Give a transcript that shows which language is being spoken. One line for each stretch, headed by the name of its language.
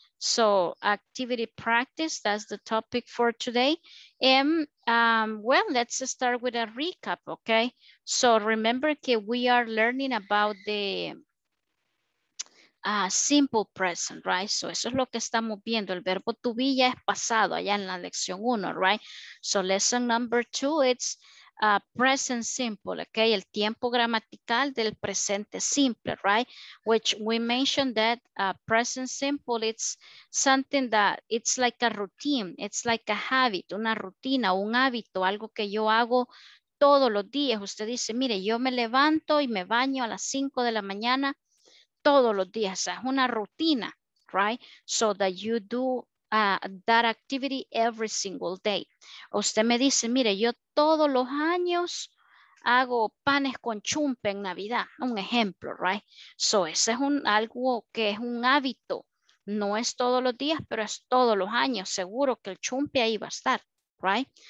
English: So activity practice, that's the topic for today. And well, let's start with a recap, okay? So remember that we are learning about the simple present, right?
Spanish: So eso es lo que estamos viendo. El verbo to be ya es pasado allá en la lección 1, right?
English: So lesson number 2, it's present simple, okay?
Spanish: El tiempo gramatical del presente simple, right?
English: Which we mentioned that present simple, it's something that it's like a routine.
Spanish: It's like a habit, una rutina, un hábito, algo que yo hago todos los días. Usted dice, mire, yo me levanto y me baño a las 5 de la mañana todos los días, es una rutina, right?
English: So that you do that activity every single day.
Spanish: Usted me dice, mire, yo todos los años hago panes con chumpe en Navidad, un ejemplo, right? So ese es un algo que es un hábito, no es todos los días, pero es todos los años, seguro que el chumpe ahí va a estar, right?